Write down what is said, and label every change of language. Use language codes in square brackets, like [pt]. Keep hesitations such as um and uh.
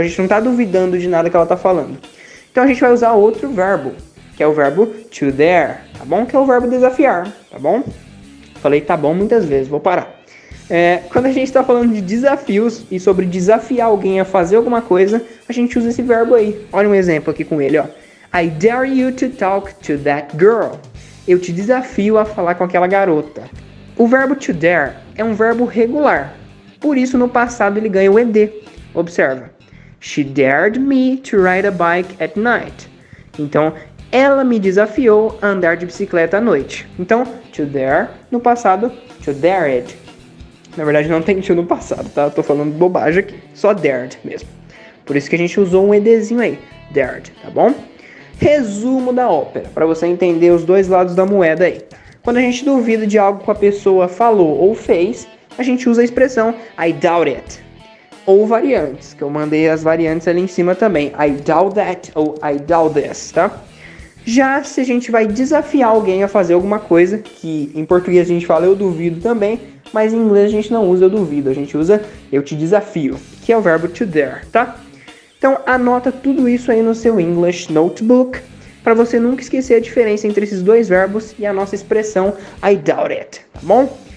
[pt] A gente não está duvidando de nada que ela está falando. Então a gente vai usar outro verbo, que é o verbo to dare, tá bom? Que é o verbo desafiar, tá bom? Falei tá bom muitas vezes, vou parar. É, quando a gente está falando de desafios e sobre desafiar alguém a fazer alguma coisa, a gente usa esse verbo aí. Olha um exemplo aqui com ele, ó. [en] I dare you to talk to that girl. [pt] Eu te desafio a falar com aquela garota. O verbo to dare é um verbo regular. Por isso, no passado, ele ganha o um ED. Observa. [en] She dared me to ride a bike at night. [pt] Então, ela me desafiou a andar de bicicleta à noite. Então, to dare, no passado, to dared. Na verdade, não tem to no passado, tá? Eu tô falando bobagem aqui. Só dared mesmo. Por isso que a gente usou um EDzinho aí. Dared, tá bom? Resumo da ópera, para você entender os dois lados da moeda aí. Quando a gente duvida de algo que a pessoa falou ou fez, a gente usa a expressão [en] I doubt it. [pt] Ou variantes, que eu mandei as variantes ali em cima também. [en] I doubt that ou I doubt this, tá? [pt] Já se a gente vai desafiar alguém a fazer alguma coisa, que em português a gente fala eu duvido também, mas em inglês a gente não usa eu duvido, a gente usa eu te desafio, que é o verbo to dare, tá? Então anota tudo isso aí no seu English Notebook para você nunca esquecer a diferença entre esses dois verbos e a nossa expressão [en] I doubt it, [pt] tá bom?